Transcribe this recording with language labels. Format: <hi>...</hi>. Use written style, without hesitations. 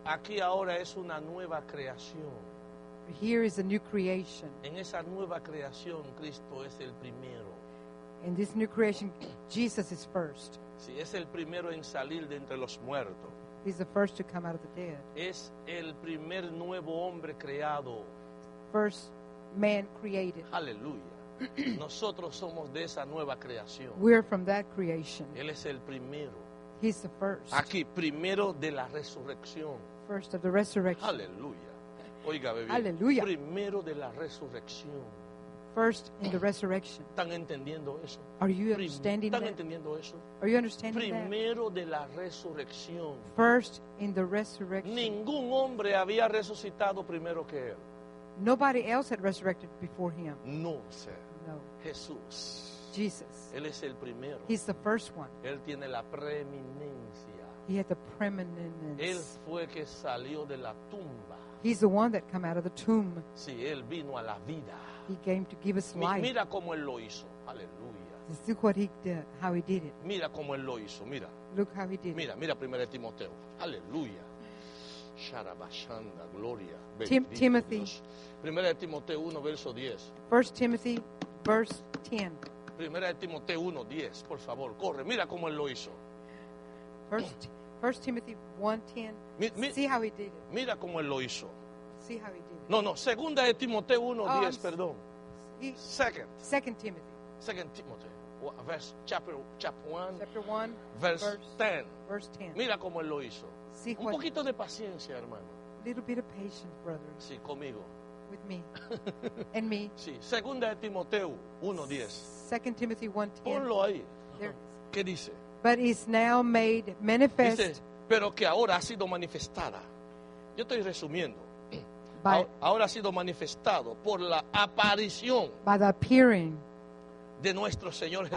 <es>Aquí ahora es una nueva creación.</es> <en>Here is a new creation.</en> <es>En esa nueva creación, Cristo es el primero.</es> <en>In this new creation, Jesus is first.</en> <es>Sí, es el primero en salir de entre los muertos.</es> <en>He's the first to come out of the dead.</en> <es>Es el primer nuevo hombre creado.</es> <en>First man created.</en> <es>Aleluya. Nosotros somos de esa nueva creación.</es> <en>We're from that creation.</en> <es>Él es el primero.</es> <en>He's the first.</en> <es>Aquí, primero de la resurrección.</es> <en>First of the resurrection.</en> <es>Aleluya. Oiga, bebé. Aleluya. Primero de la resurrección.</es> <en>First in the resurrection.</en> <es>¿Están entendiendo eso?</es> <en>Are you understanding</en> <es>¿Están entendiendo eso?</es> <en>Are you understanding</en> <es>primero</es> <en>that?</en> <es>De la resurrección.</es> <en>First in the resurrection.</en> <es>Ningún hombre había resucitado primero que él.</es> <en>Nobody else had resurrected before him. No, sir. No.</en> <es>Jesús.</es> <en>Jesus.</en> <es>Él es el primero.</es> <en>He's the first one.</en> <es>Él tiene la preeminencia.</es> <en>He had the preeminence.</en> <es>Él fue que salió de la tumba.</es> <en>He's the one that came out of the tomb.</en> <es>Sí, él vino a la vida.</es> <en>He came to give us life.</en> <es>Mira cómo él lo hizo. Aleluya.</es> <en>Let's see what he did, how he did it.</en> <es>Mira cómo él lo hizo. Mira.</es> <en>Look how he did</en> <es>mira,</es> <en>it.</en> <es>Mira, mira, 1 Timoteo. Aleluya. Sharabashanda, gloria.</es> <en>Timothy.</en> <es>1 Timoteo 1, verso 10.</es> <en>1 Timothy, verse 10.</en> <es>1 Timoteo 1, 10. Por favor, corre. Mira cómo él lo hizo.</es> <en>1 Timothy 1:10. See how he did it.</en> <es>Mira cómo él lo hizo.</es> <en>See how he did it.</en> <es>No, no, 2 Timoteo 1:10, perdón.</es> <en>Second Timothy. Second Timothy. Chapter 1, verse 10. Verse 10.</en> <es>Mira cómo él lo hizo.</es> <en>See</en> <es>un poquito de paciencia, hermano.</es> <en>Little bit of patience, brother.</en> <es>Sí, conmigo.</es> <en>With me. And me.</en> <es>Sí, 2 Timoteo 1:10.</es> <en>Second Timothy 1:10.</en> <es>Ponlo ahí.</es> <en>There.</en> <es>¿Qué dice?</es> <en>But is now made manifest.</en> <es>Dice, pero que ahora ha sido manifestada. Yo estoy resumiendo. Ahora ha sido manifestado por la aparición. By the appearing. De nuestro Señor Jesucristo.</es>